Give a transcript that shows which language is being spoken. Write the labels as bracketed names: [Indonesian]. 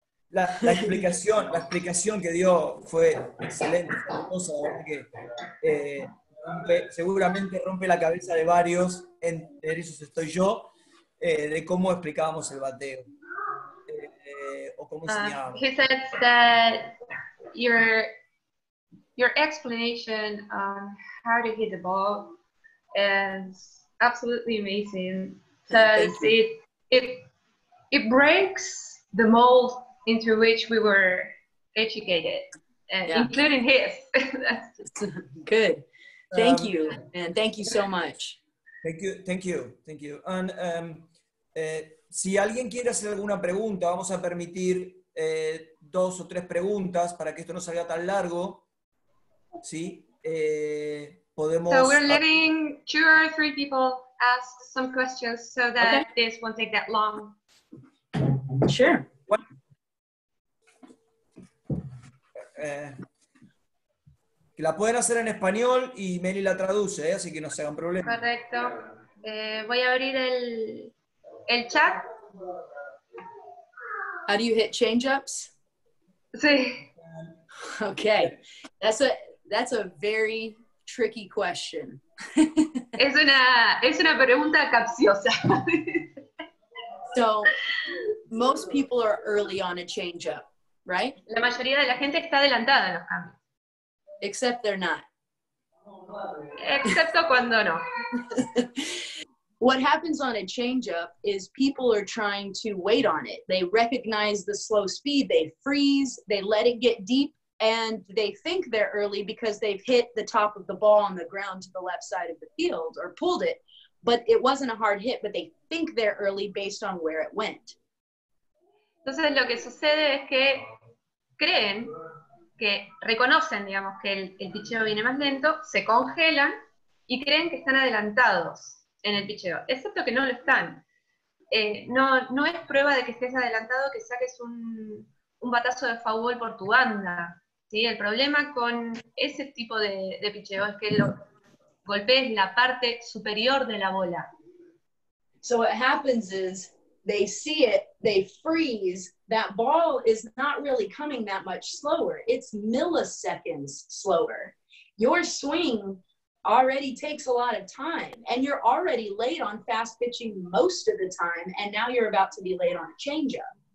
[Spanish] La explicación que dio fue excelente, hermosa, porque seguramente rompe la cabeza de varios, entre esos estoy yo, de cómo explicábamos el bateo. O cómo enseñábamos. [English] He said that your explanation on how to hit the ball is absolutely amazing. So it breaks the mold into which we were educated, including his. Good. Thank you, and thank you so much. Thank you. And [Spanish] si alguien quiere hacer alguna pregunta, vamos a permitir dos o tres preguntas para que esto no salga tan largo. Sí. Podemos. [English] So we're letting two or three people ask some questions so that this won't take that long. Sure. What? [Spanish] Que la pueden hacer en español y Meli la traduce, así que no se hagan problema. Correcto. Voy a abrir el chat. [English] How do you hit change-ups? [Spanish] Sí. [English] Okay. That's a very tricky question. [Spanish] es una pregunta capciosa. [English] So, most people are early on a change-up, right? [Spanish] La mayoría de la gente está adelantada en los cambios. [English] Except they're not. [Spanish] Excepto cuando no. [English] What happens on a changeup is people are trying to wait on it. They recognize the slow speed, they freeze, they let it get deep, and they think they're early because they've hit the top of the ball on the ground to the left side of the field or pulled it, but it wasn't a hard hit, but they think they're early based on where it went. [Spanish] Entonces lo que sucede es que creen que reconocen, digamos, que el picheo viene más lento, se congelan y creen que están adelantados en el picheo, excepto que no lo están. No es prueba de que estés adelantado que saques un batazo de foul ball por tu banda, ¿sí? El problema con ese tipo de picheo es que golpees la parte superior de la bola. [English] So what happens is they see it, they freeze. That ball is not really coming that much slower. It's milliseconds slower. Your swing already takes a lot of time, and you're already late on fast pitching most of the time, and now you're about to be late on a changeup.